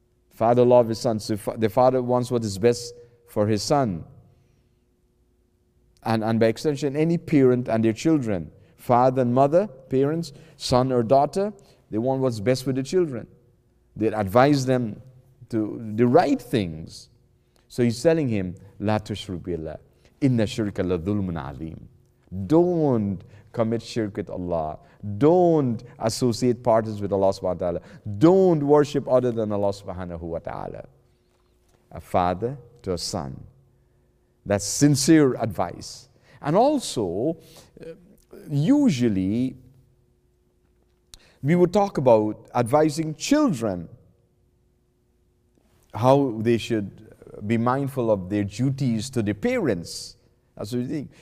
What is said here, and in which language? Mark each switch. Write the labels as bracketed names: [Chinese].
[English] Father loves his son, so the father wants what is best for his son. And by extension, any parent and their children, father and mother, parents, son or daughter, they want what's best for the children. They advise them to the right things. So he's telling him, [Arabic] لا تشرك بالله إن شرك لظلم عظيم. [English] Don't commit shirk with Allah. Don't associate partners with Allah subhanahu wa ta'ala. Don't worship other than Allah subhanahu wa ta'ala. A father to a son. That's sincere advice. And also, usually, we would talk about advising children how they should be mindful of their duties to their parents. That's what you think.